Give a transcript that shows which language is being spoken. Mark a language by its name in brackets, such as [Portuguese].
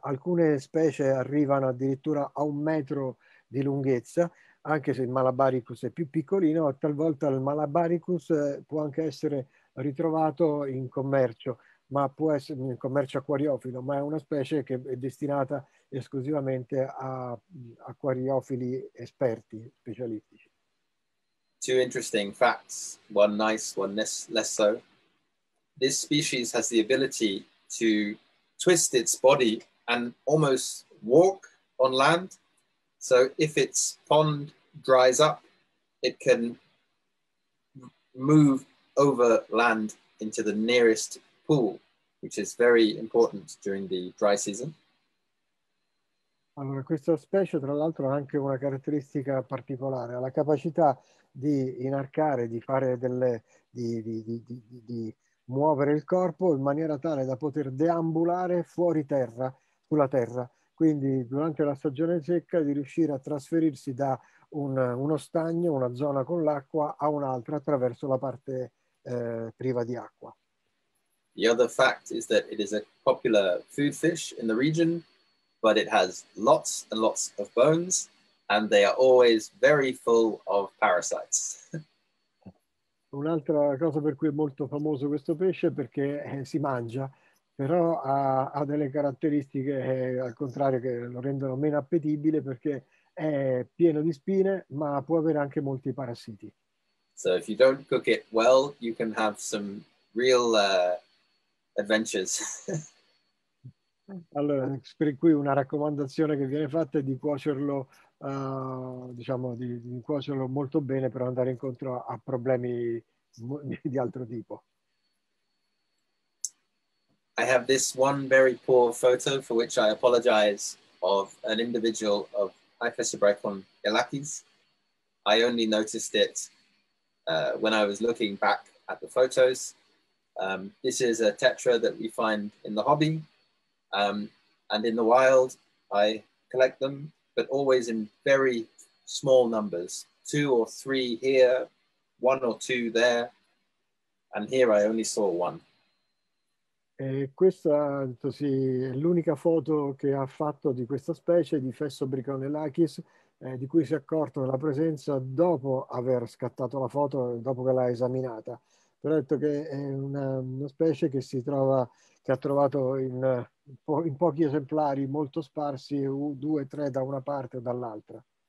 [Italian] Alcune specie arrivano addirittura a 1 metro di lunghezza, anche se il Malabaricus è più piccolino, talvolta il Malabaricus può anche essere ritrovato in commercio, ma può essere in commercio acquariofilo, ma è una specie che è destinata esclusivamente a acquariofili esperti, specialistici. [English] Two interesting facts, one nice, one less so. This species has the ability to twist its body and almost walk on land. So if its pond dries up, it can move over land into the nearest pool, which is very important during the dry season. [Italian] Allora, questa specie tra l'altro ha anche una caratteristica particolare, ha la capacità di inarcare, di fare di muovere il corpo in maniera tale da poter deambulare fuori terra, sulla terra. Quindi durante la stagione secca di riuscire a trasferirsi da uno stagno, una zona con l'acqua, a un'altra attraverso la parte priva di acqua. [English] The other fact is that it is a popular food fish in the region, but it has lots and lots of bones, and they are always very full of parasites. [Italian] Un'altra cosa per cui è molto famoso questo pesce è perché si mangia, però ha delle caratteristiche al contrario che lo rendono meno appetibile perché è pieno di spine, ma può avere anche molti parassiti. [English] So if you don't cook it well, you can have some real adventures. [Italian] Allora, per cui una raccomandazione che viene fatta è di cuocerlo, diciamo, di cuocerlo molto bene per andare incontro a problemi di altro tipo. [English] I have this one very poor photo for which I apologize of an individual of Iphysobrychon elacis. I only noticed it when I was looking back at the photos. This is a tetra that we find in the hobby. And in the wild, I collect them, but always in very small numbers, two or three here, one or two there. And here I only saw one. [Italian] Questa sì, è l'unica foto che ha fatto di questa specie di Fessobrichon elachis, di cui si è accorto della presenza dopo aver scattato la foto, dopo che l'ha esaminata. Però ha detto che è una specie che si trova, che ha trovato in pochi esemplari molto sparsi, due, tre da una parte o dall'altra.